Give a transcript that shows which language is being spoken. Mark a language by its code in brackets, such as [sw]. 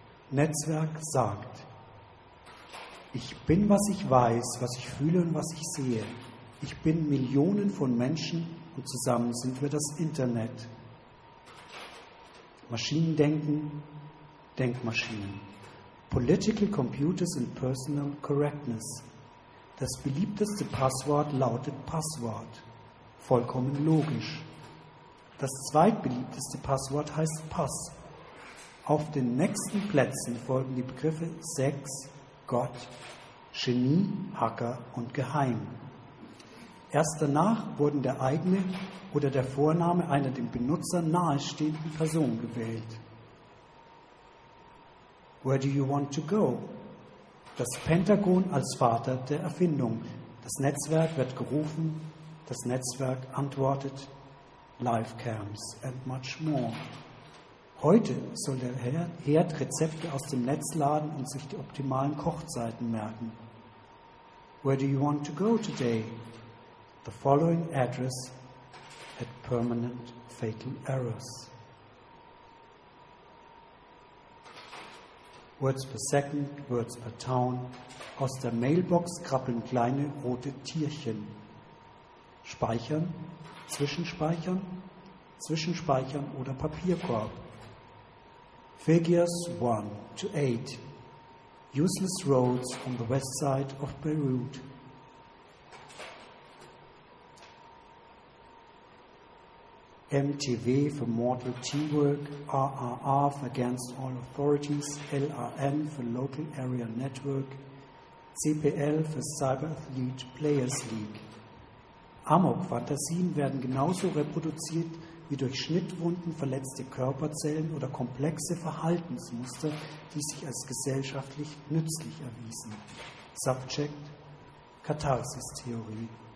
[de] Netzwerk sagt: Ich bin, was ich weiß, was ich fühle und was ich sehe. Ich bin Millionen von Menschen und zusammen sind wir das Internet. Maschinen denken, Denkmaschinen. [en] Political Computers and Personal Correctness. [de] Das beliebteste Passwort lautet Passwort. Vollkommen logisch. Das zweitbeliebteste Passwort heißt Pass. Auf den nächsten Plätzen folgen die Begriffe Sex, Gott, Genie, Hacker und Geheim. Erst danach wurden der eigene oder der Vorname einer dem Benutzer nahestehenden Person gewählt. [en] Where do you want to go? [de] Das Pentagon als Vater der Erfindung. Das Netzwerk wird gerufen, das Netzwerk antwortet, [en] Livecams and much more. [de] Heute soll der Herd Rezepte aus dem Netz laden und sich die optimalen Kochzeiten merken. [en] Where do you want to go today? The following address had permanent fatal errors. Words per second, words per town. [de] Aus der Mailbox krabbeln kleine rote Tierchen. Speichern, zwischenspeichern, zwischenspeichern oder Papierkorb. [en] Figures 1 to 8. Useless roads on the west side of Beirut. MTV for Mortal Teamwork, RRR for Against All Authorities, LRN for Local Area Network, CPL for Cyber Athlete Players League. [de] Amok-Fantasien werden genauso reproduziert wie durch Schnittwunden verletzte Körperzellen oder komplexe Verhaltensmuster, die sich als gesellschaftlich nützlich erwiesen. Subject, Katharsis-Theorie.